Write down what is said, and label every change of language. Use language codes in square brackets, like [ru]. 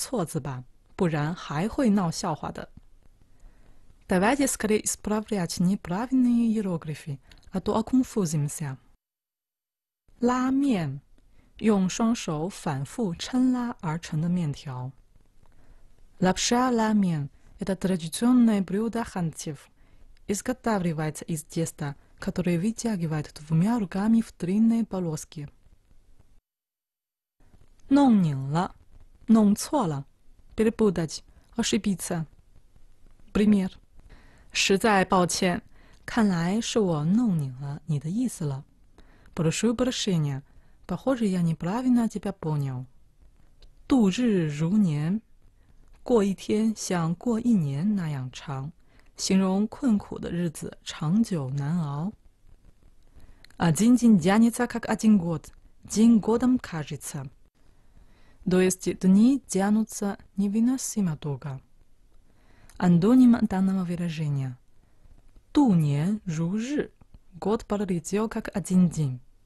[zh] 我们赶快消灭错字吧,不然还会闹笑话的. [ru] Давайте скорее исправлять неправильные иероглифы, а то оконфузимся. [zh] 拉面.用双手反复撑拉而成的面条. [ru] Лапша ламен. Это традиционное блюдо ханьцев. Изготавливается из теста, которое вытягивает двумя руками в длинные полоски. Нонгнинла. Нонгцола. Перепутать. Ошибиться. Пример. [zh] 实在抱歉. 看来是我弄拧了你的意思了. [ru] Прошу прощения. Похоже, я неправильно тебя понял. [zh] 度日如年. 过一天像过一年那样长, 形容困苦的日子长久难熬. [ru] Один день тянется, как один год. День годом кажется. То есть дни тянутся невыносимо долго. Антоним данного выражения. Ту не жу жи. Год пролетел, как один день.